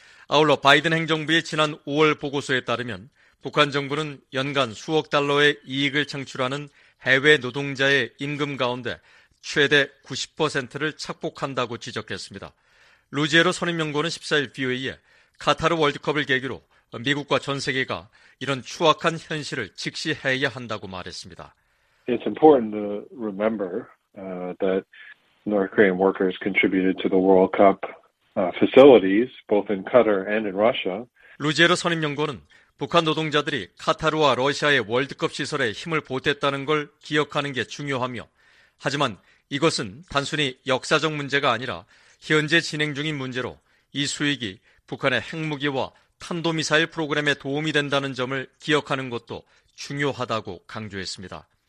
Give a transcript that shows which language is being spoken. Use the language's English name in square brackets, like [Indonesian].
[Korean] 아울러 바이든 행정부의 지난 5월 보고서에 따르면 북한 정부는 연간 수억 달러의 이익을 창출하는 해외 노동자의 임금 가운데 최대 90%를 착복한다고 지적했습니다. 루지에로 선임연구원은 14일 VOA에 카타르 월드컵을 계기로 미국과 전 세계가 이런 추악한 현실을 직시해야 한다고 말했습니다. [English] It's important to remember that North Korean workers contributed to the World Cup facilities both in Qatar and in Russia. [Korean] 루제로 선임연구원은 북한 노동자들이 카타르와 러시아의 월드컵 시설에 힘을 보탰다는 걸 기억하는 게 중요하며 하지만 이것은 단순히 역사적 문제가 아니라 현재 진행 중인 문제로 이 수익이 북한의 핵무기와 탄도미사일 프로그램에 도움이 된다는 점을 기억하는 것도 중요하다고 강조했습니다.